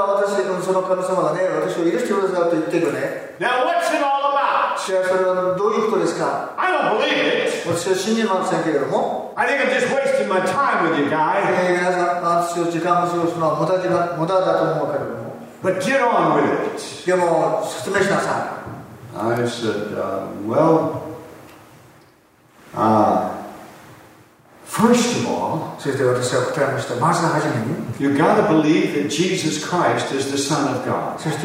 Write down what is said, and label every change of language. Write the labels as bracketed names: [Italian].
[Japanese] あなたは私のその神様がね、私を許してくださいと言ってるね。 [English] Now what's it all about? [Japanese] 私はそれはどういうことですか? [English] I don't believe it. [Japanese] 私は信じませんけれども。 [English] I think I'm just wasting my time with you, guy. [Japanese] 皆さん、私を時間を過ごすのは無駄だと思うけれども。 [English] But get on with it. [Japanese] でも説明しなさい。 [English] I said, well, first of all, you got to believe that Jesus Christ is the Son of God.